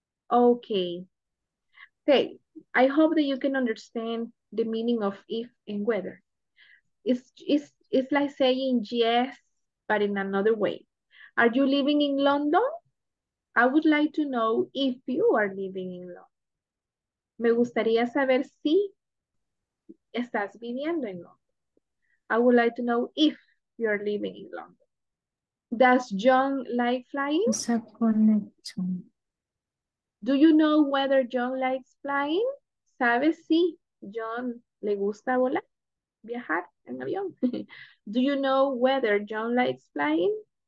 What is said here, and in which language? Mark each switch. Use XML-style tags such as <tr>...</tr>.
<en>Okay. Okay. I hope that you can understand the meaning of if and whether. It's like saying yes, but in another way. Are you living in London? I would like to know if you are living in London.</en> <es>Me gustaría saber si estás viviendo en London.</es> <en>I would like to know if you are living in London. Does John like flying? It's a connection. Do you know whether John likes flying?</en> <es>¿Sabes si John le gusta volar? ¿Viajar en avión?</es> <en>Do you know whether John likes flying?</en>